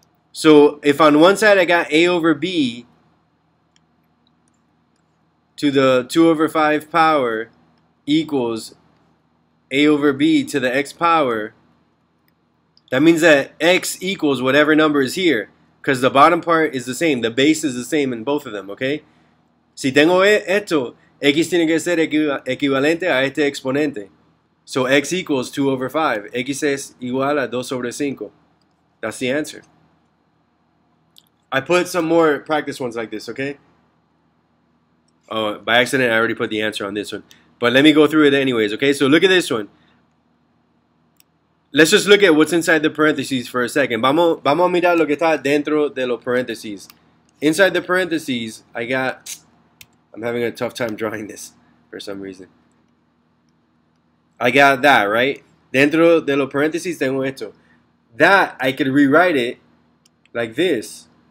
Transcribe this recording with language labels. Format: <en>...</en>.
<en>So if on one side I got a over b to the 2 over 5 power equals a over b to the x power, that means that x equals whatever number is here, because the bottom part is the same. The base is the same in both of them, okay?</en> <es>Si tengo esto, x tiene que ser equivalente a este exponente.</es> <en>So x equals 2 over 5.</en> <es>X es igual a 2 sobre 5.</es> <en>That's the answer. I put some more practice ones like this, okay? Oh, by accident, I already put the answer on this one. But let me go through it anyways, okay? So look at this one. Let's just look at what's inside the parentheses for a second.</en> <es>Vamos a mirar lo que está dentro de los parentheses.</es> <en>Inside the parentheses, I'm having a tough time drawing this for some reason. I got that, right?</en> <es>Dentro de los parentheses tengo esto.</es> <en>That, I could rewrite it like this.</en>